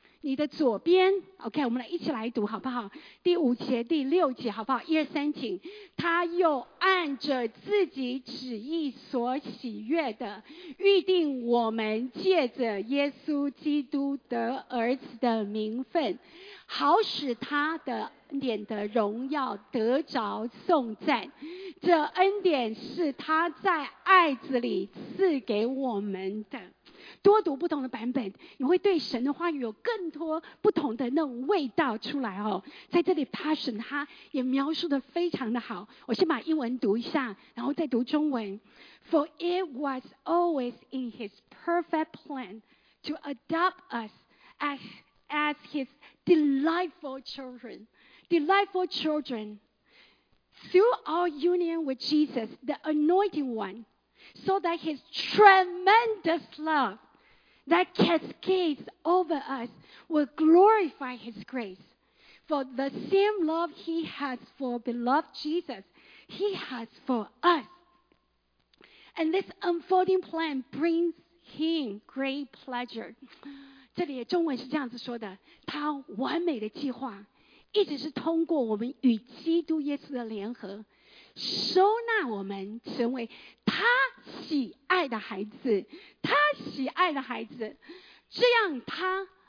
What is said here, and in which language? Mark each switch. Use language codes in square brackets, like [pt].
[zh] 你的左边 OK， 我们来一起来读好不好，第五节第六节好不好，一二三请，他又按着自己旨意所喜悦的预定我们借着耶稣基督得儿子的名分，好使他的恩典的荣耀得着颂赞，这恩典是他在爱子里赐给我们的。多读不同的版本，你会对神的话语有更多不同的那种味道出来哦。在这里 passion 他也描述得非常的好，我先把英文读一下然后再读中文。 [en] For it was always in his perfect plan to adopt us as his delightful children. Delightful children. Through our union with Jesus, the anointed one,So that his tremendous love that cascades over us will glorify his grace. For the same love he has for beloved Jesus, he has for us. And this unfolding plan brings him great pleasure. [zh] 这里的中文是这样子说的，他完美的计划一直是通过我们与基督耶稣的联合收纳我们成为他喜爱的孩子，他喜爱的孩子，这样他